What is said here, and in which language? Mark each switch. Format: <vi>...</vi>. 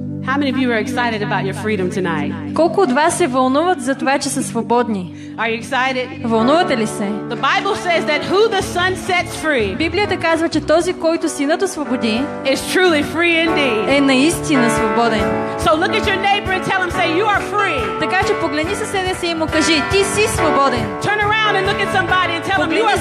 <en>How many of you are excited about your freedom tonight?</en> <bg>Колко от вас се вълнуват за това, че са свободни?</bg> <en>Are you excited?</en> <bg>Вълнувате ли се?</bg> <en>The Bible says that who the Son sets free.</en> <bg>Библията казва, че този, който Синът освободи,</bg> <en>is truly free indeed.</en> <bg>Е наистина свободен.</bg> <en>So look at your neighbor and tell him, say, you are free.</en> <bg>Така че погледни съседа си и му кажи, ти си свободен.</bg> <en>Turn around and look at somebody and tell him, you are free.</en>